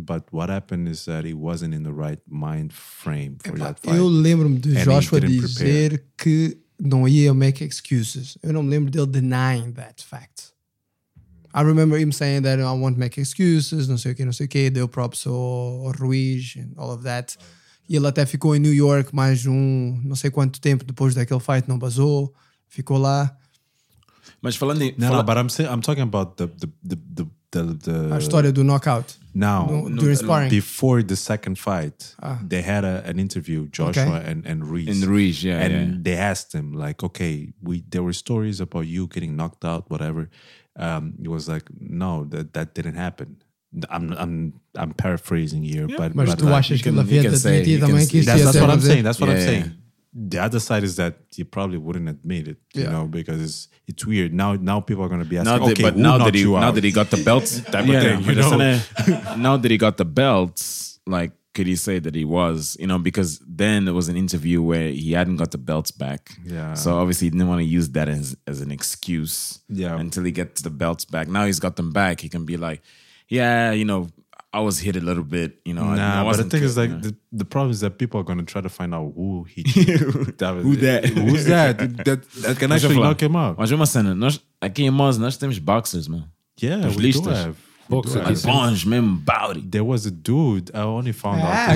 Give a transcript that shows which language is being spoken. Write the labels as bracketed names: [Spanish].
[English] But what happened is that he wasn't in the right mind frame for that fight. [Portuguese] Eu lembro-me de Joshua dizer que não ia [English] make excuses. [Portuguese] Eu não me lembro dele denying that fact. [English] I remember him saying that I won't make excuses. [Portuguese] Não sei o quê. Deu props ao Ruiz [English] and all of that. [Portuguese] E ele até ficou em New York mais não sei quanto tempo depois daquele fight, não basou, ficou lá. Mas falando [English] em... I'm talking about the the [Portuguese] a história do knockout. [English] Now, no, during sparring. Before the second fight, they had an interview, Joshua and Ruiz. And Ruiz, yeah. And yeah. They asked him, like, okay, there were stories about you getting knocked out, whatever. He was like, no, that didn't happen. I'm paraphrasing here, yeah. But [Portuguese] tu achas que ele havia admitido também que isso ia ser? [English] That's what I'm saying. The other side is that he probably wouldn't admit it, you know, because it's weird. Now people are going to be asking, now that he got the belt, type of thing, you know? Now that he got the belt, like, could he say that he was, you know, because then there was an interview where he hadn't got the belts back. Yeah. So obviously he didn't want to use that as an excuse until he gets the belts back. Now he's got them back. He can be like, yeah, you know, I was hit a little bit, you know. Nah, I but the thing is, like, the problem is that people are going to try to find out who he hit. Who's that? That can actually knock him out. [Portuguese] Mas uma cena, nós aqui em Moz, nós temos boxers, man. [English] Yeah, we do have. Boxers. Bons, man, body. There was a dude, I only found out.